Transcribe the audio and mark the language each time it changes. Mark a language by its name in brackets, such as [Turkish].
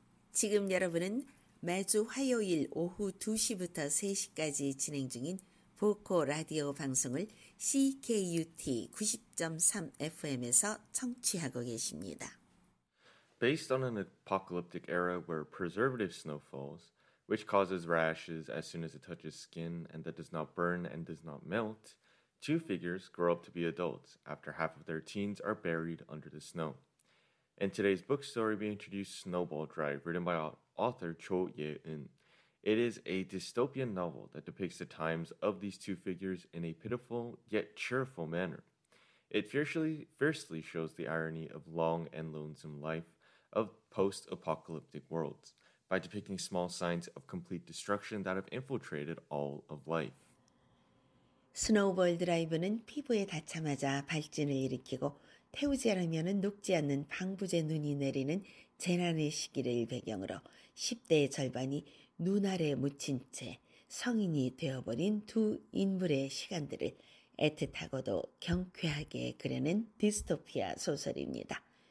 [Korean] 지금 여러분은 매주 화요일 오후 2시부터 3시까지 진행 중인 보코 라디오 방송을 CKUT 90.3 FM에서 청취하고 계십니다. [English] Based on an apocalyptic era where preservative snow falls, which causes rashes as soon as it touches skin and that does not burn and does not melt, two figures grow up to be adults after half of their teens are buried under the snow. In today's book story, we introduce Snowball Drive, written by author Cho Ye-eun. It is a dystopian novel that depicts the times of these two figures in a pitiful yet cheerful manner. It fiercely shows the irony of long and lonesome life of post-apocalyptic worlds by depicting small signs of complete destruction that have infiltrated all of life. [Korean] Snowball Drive는 피부에 닿자마자 발진을 일으키고 태우지 않으면 녹지 않는 방부제 눈이 내리는 재난의 시기를 배경으로 10대의 절반이 눈 아래 묻힌 채 성인이 되어버린 두 인물의 시간들을 애틋하고도 경쾌하게 그려낸 디스토피아 소설입니다.